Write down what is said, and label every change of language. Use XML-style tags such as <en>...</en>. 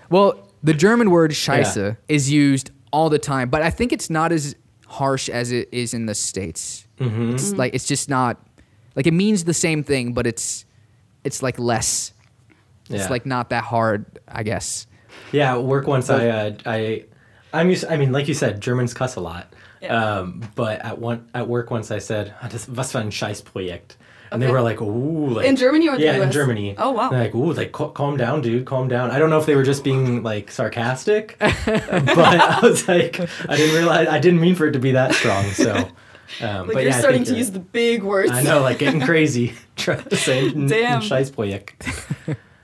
<en>Well, the German word Scheiße is used all the time, but I think it's not as harsh as it is in the States. Mm-hmm. It's mm-hmm. like it's just not like it means the same thing, but it's like less. Yeah. It's like not that hard, I guess. Yeah. Work once but, I mean, like you said, Germans cuss a lot. Yeah. But at work once I said,</en> <de>"Was für ein Scheißprojekt?"</de> <en>And they were like, "Ooh." Like, in Germany or the Yeah, US? In Germany. Oh, wow. They're like, "Ooh, like, calm down, dude, calm down." I don't know if they were just being like sarcastic, but I was like, I didn't mean for it to be that strong. So, but you're starting to use the big words. I know, like getting crazy trying to say</en> <de>ein Scheißprojekt.</de>